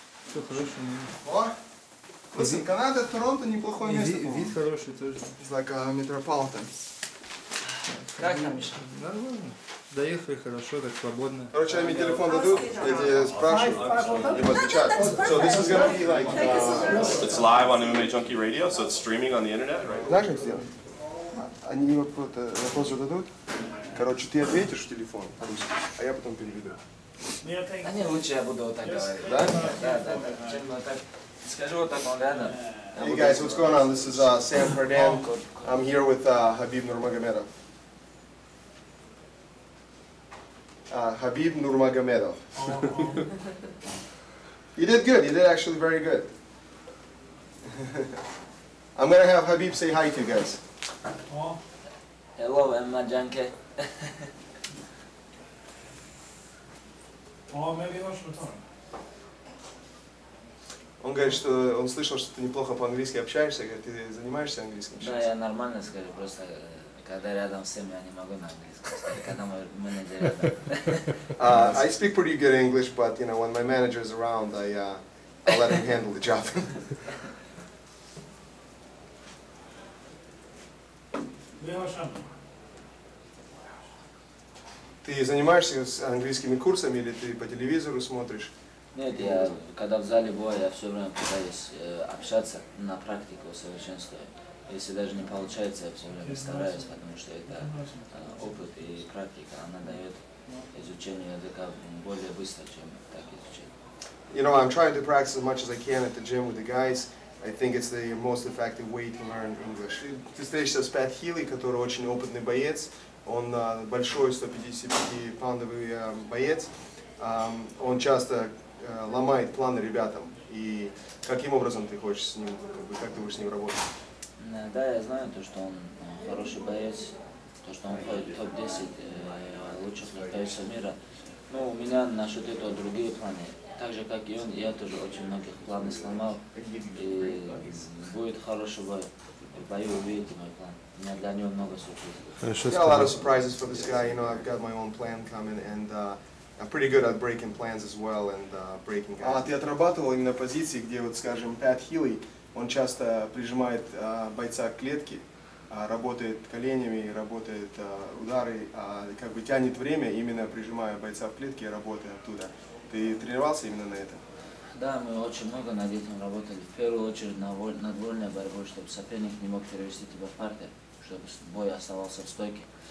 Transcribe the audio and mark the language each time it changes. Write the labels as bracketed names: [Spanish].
[Russian] Все хорошо у меня. О! Просто Канада, Торонто неплохое место. Вид хороший тоже. Знака метрополитен. Как там еще? Нормально. Доехали хорошо, так свободно. Короче, я мне телефон даду, я тебе спрашиваю, либо отвечаю. [English] So this is gonna be like... It's live on MMA Junkie Radio, so it's streaming on the internet, right? [Russian] Знаешь, как сделать? Они мне вот вопрос зададут. Короче, ты ответишь в телефон, а я потом переведу. А не, лучше я буду вот так говорить. Да? Да. Скажу вот так, ладно. [English] Hey guys, what's going on? This is Sam Ferdan. I'm here with Khabib Nurmagomedov. Khabib Nurmagomedov. You did good. You did actually very good. I'm going to have Khabib say hi to you guys. Hello, MMA Junkie. [Russian] Он говорит, что он слышал, что ты неплохо по-английски общаешься. Говорит, ты занимаешься английским? Да, я нормально скажу, просто... Когда рядом с ним, я не могу на английском сказать, когда мы не рядом. [English] I speak pretty good English, but, you know, when my manager is around, I let him handle the job. [Russian] Ты занимаешься с английскими курсами или ты по телевизору смотришь? Нет, я, когда в зале бою, я все время пытаюсь общаться на практику, совершенствую. Если даже не получается, я все время стараюсь, потому что это опыт и практика, она дает изучение языка более быстро, чем так изучать. [English] You know, I'm trying to practice as much as I can at the gym with the guys. I think it's the most effective way to learn English. [Russian] Ты встречаешься с Пэт Хилли, который очень опытный боец. Он большой, 155-фунтовый боец. Он часто ломает планы ребятам. И каким образом ты хочешь с ним, как ты будешь с ним работать? Да, я знаю то, что он хороший боец, то, что он входит в топ-10 лучших боцов мира. Ну, у меня насчет этого другие планы. Так же, как и он, я тоже очень многих планов сломал. И будет хороший бой. В бою увидите мой план. У меня для него много сюрпризов. [English] Я a lot of surprises for this guy. You know, I've got my own plan coming, and I'm pretty good at breaking plans as well, and breaking guys. [Russian] Ты отрабатывал именно позиции, где, вот, скажем, Пэт Хилли, он часто прижимает бойца к клетке, работает коленями, работает удары, как бы тянет время, именно прижимая бойца в клетке и работая оттуда. Ты тренировался именно на это? Да, мы очень много над этим работали. В первую очередь над вольной борьбой, чтобы соперник не мог перевести тебя в партер, чтобы бой оставался в стойке.